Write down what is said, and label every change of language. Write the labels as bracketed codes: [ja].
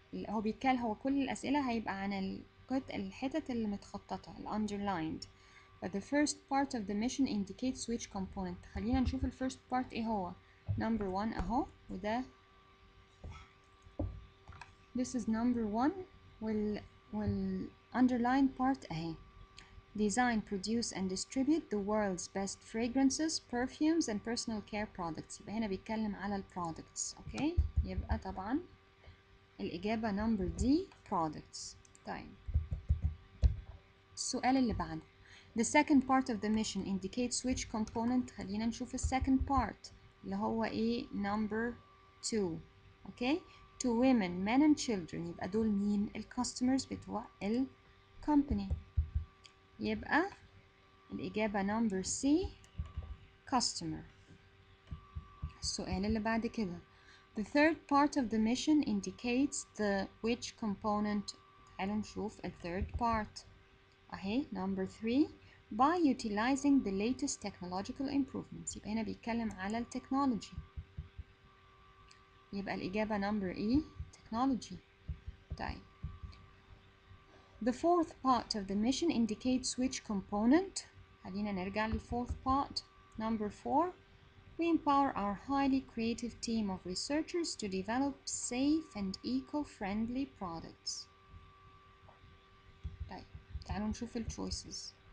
[ar] هو بيتكال هو كل الأسئلة هيبقى عن الحتة اللي متخططة underlined. [en] But the first part of the mission indicates which component. [ar] خلينا نشوف ال first part ايه هو. [en] Number one [ar] اهو. وده [en] this is number one. [ar] وال underlined part اهي. [en] Design, produce and distribute the world's best fragrances, perfumes and personal care products. [ar] يبقى هنا بيتكلم على ال products. Okay. يبقى طبعا الإجابة number D. Products. طيب. السؤال اللي بعده. [en] The second part of the mission indicates which component. [ar] خلينا نشوف the second part اللي هو ايه number 2. [en] okay to women, men and children. [ar] يبقى دول مين ال customers بتوع ال company. يبقى الإجابة number C customer. السؤال اللي بعد كده [en] the third part of the mission indicates the which component. [ar] خلينا نشوف [en] the third part اهي number 3 by utilizing the latest technological improvements. [ar] يبقى هنا بيتكلم على التكنولوجي. يبقى الإجابة number E technology. [en] طيب the fourth part of the mission indicates which component. [ar] خلينا نرجع [en] للfourth part number 4. We empower our highly creative team of researchers to develop safe and eco-friendly products. [ar] طيب تعالوا نشوف الchoices.